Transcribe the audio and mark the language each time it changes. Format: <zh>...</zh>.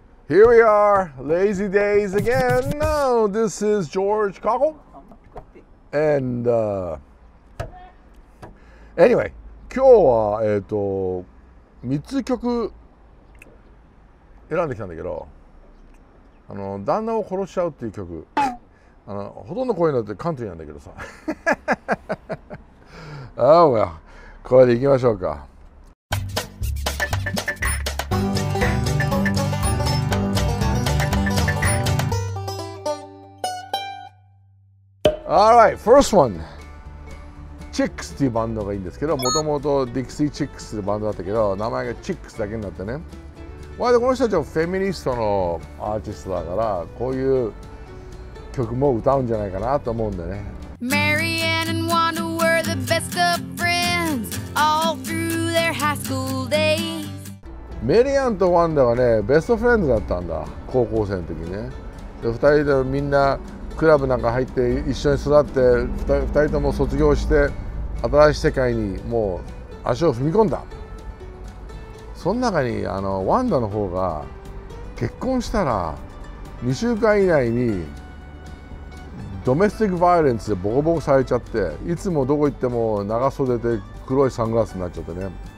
<en>Here we are, lazy days again. Now, this is George Cockle. And, anyway,</en> <ja>今日は、3つ曲選んできたんだけど、旦那を殺しちゃうっていう曲、ほとんどこういうのってカントリーなんだけどさ。</ja> <en>Oh, well,</en> <ja>これでいきましょうか。</ja> <en>Alright, first one.</en> <ja>Chicks っていうバンドがいいんですけど、もともと Dixie Chicks っていうバンドだったけど、名前が Chicks だけになってね。まあ、でこの人たちはフェミニストのアーティストだから、こういう曲も歌うんじゃないかなと思うんだよね。</ja> <en>Marianne and Wanda were the best of friends all through their high school days.</en> <ja>Marianne と Wanda はね、ベストフレンズだったんだ、高校生の時ね。で、2人でみんなクラブなんか入って一緒に育って、2人とも卒業して新しい世界にもう足を踏み込んだ。その中にワンダの方が結婚したら2週間以内にドメスティックバイオレンスでボコボコされちゃって、いつもどこ行っても長袖で黒いサングラスになっちゃってね。</ja>